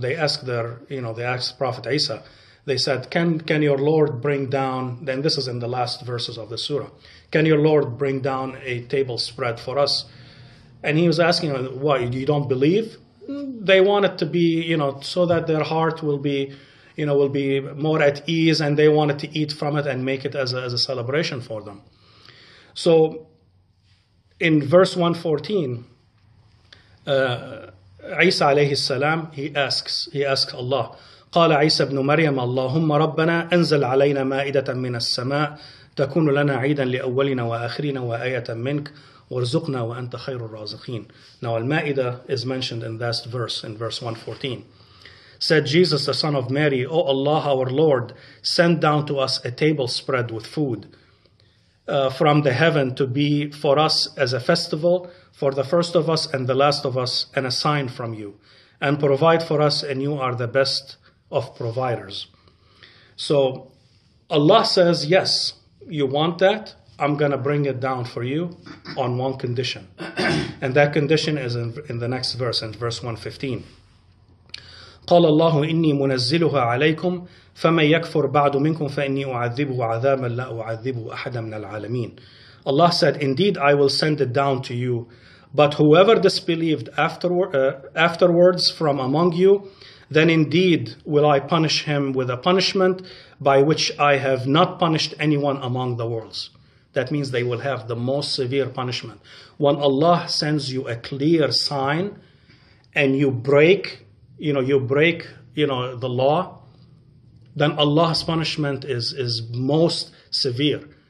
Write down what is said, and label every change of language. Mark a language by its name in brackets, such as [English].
[English] They asked Prophet Isa. They said, can your Lord bring down, then this is in the last verses of the surah, can your Lord bring down a table spread for us? And he was asking, why, you don't believe? They want it to be, you know, so that their heart will be more at ease, and they wanted to eat from it and make it as a celebration for them. So in verse 114, Isa alayhi salam, he asks Allah, [Arabic] قال عيسى بن مريم اللهم ربنا انزل علينا مائدة من السماء تكون لنا عيدا لأولنا وآخرنا وآية منك وارزقنا وأنت خير الرازقين. [English] Now Al-Ma'idah is mentioned in that verse, in verse 114. Said Jesus, the son of Mary, O Allah, our Lord, send down to us a table spread with food from the heaven to be for us as a festival for the first of us and the last of us and a sign from you, and provide for us, and you are the best of providers. So Allah says, yes, you want that? I'm going to bring it down for you on one condition. And that condition is in the next verse, in verse 115. [Arabic] قال الله إني منزلها عليكم فمن يكفر بعد منكم فإني أعذبه عذابا لا أعذبه أحدا من العالمين. [English] Allah said, indeed, I will send it down to you. But whoever disbelieved afterwards from among you, then indeed will I punish him with a punishment by which I have not punished anyone among the worlds. That means they will have the most severe punishment. When Allah sends you a clear sign and you break the law, then Allah's punishment is most severe.